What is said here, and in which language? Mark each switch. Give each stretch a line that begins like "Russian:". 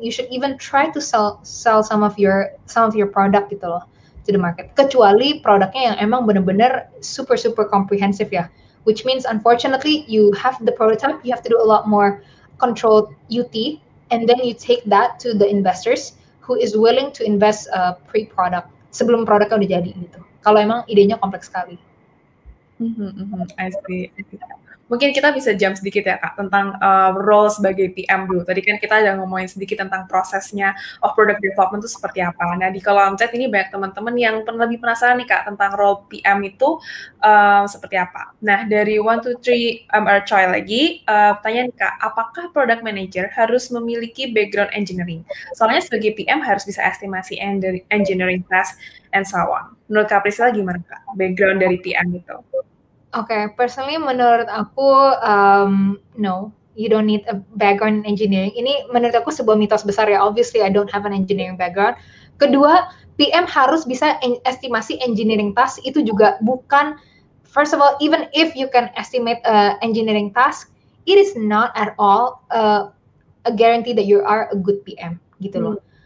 English: You should even try to sell some of your product
Indonesian: gitu loh
English: to the market.
Indonesian: Kecuali produknya yang emang benar-benar
English: super super comprehensive
Indonesian: ya.
English: Which means unfortunately you have the prototype, you have to do a lot more controlled UT, and then you take that to the investors who is willing to invest pre-product.
Indonesian: Sebelum produknya udah jadi gitu. Kalau emang idenya kompleks sekali.
English: I see.
Indonesian: Mungkin kita bisa jump sedikit ya Kak tentang role sebagai PM dulu. Tadi kan kita udah ngomongin sedikit tentang prosesnya
English: of product development
Indonesian: itu seperti apa. Nah di kolom chat ini banyak teman-teman yang lebih penasaran nih Kak tentang role PM itu seperti apa. Nah dari 123 MR Choi lagi, pertanyaan Kak, apakah product manager harus memiliki background engineering? Soalnya sebagai PM harus bisa estimasi engineering task
English: and so on.
Indonesian: Menurut Kak Prisila gimana Kak background dari PM itu?
English: Okay, personally
Indonesian: menurut aku,
English: no, you don't need a background in engineering.
Indonesian: Ini menurut aku sebuah mitos besar ya,
English: obviously I don't have an engineering background.
Indonesian: Kedua, PM harus bisa estimasi engineering task, itu juga bukan,
English: first of all, even if you can estimate engineering task, it is not at all a guarantee that you are a good PM,
Indonesian: gitu loh.